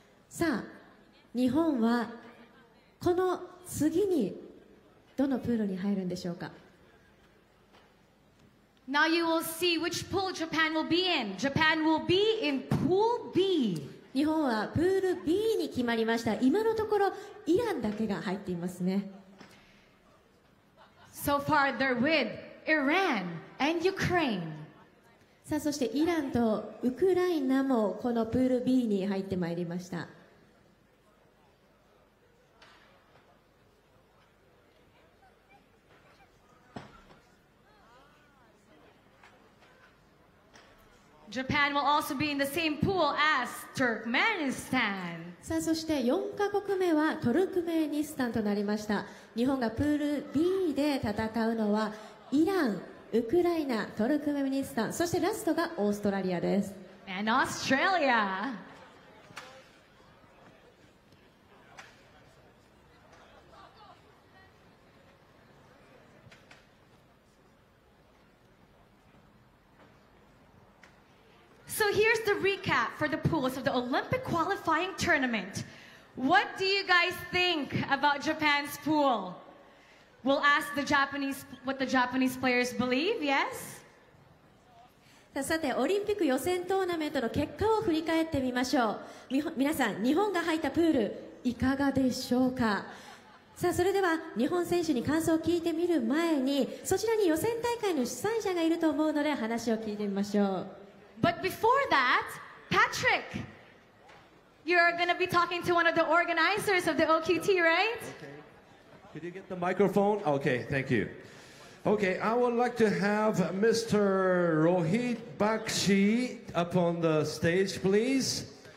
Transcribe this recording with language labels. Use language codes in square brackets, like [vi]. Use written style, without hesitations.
[ja] さあ、日本はこの次にどのプールに入るんでしょうか。 [en] Now you will see which pool Japan will be in. Japan will be in pool B. [ja] 日本はプール B に決まりました。今のところイランだけが入っていますね。 [en] So far they're with Iran and Ukraine. [ja] さあ、そしてイランとウクライナもこのプール B に入ってまいりました。 [en] Japan will also be in the same pool as Turkmenistan. [ja] さあ、そして4カ国目はトルクメニスタンとなりました。日本がプール B で戦うのはイラン、ウクライナ、トルクメニスタン、そしてラストがオーストラリアです。 [en] And Australia. So here's the recap for the pools of the Olympic qualifying tournament. What do you guys think about Japan's pool? We'll ask the Japanese what the Japanese players believe, yes? [ja] さて、オリンピック予選トーナメントの結果を振り返ってみましょう。皆さん、日本が入ったプールいかがでしょうか。さあ、それでは日本選手に感想を聞いてみる前に、そちらに予選大会の主催者がいると思うので話を聞いてみましょう。 [en] But before that, Patrick, you're going to be talking to one of the organizers of the OQT, right? Okay. Could you get the microphone? Okay, thank you. Okay, I would like to have Mr. Rohit Bakshi up on the stage, please.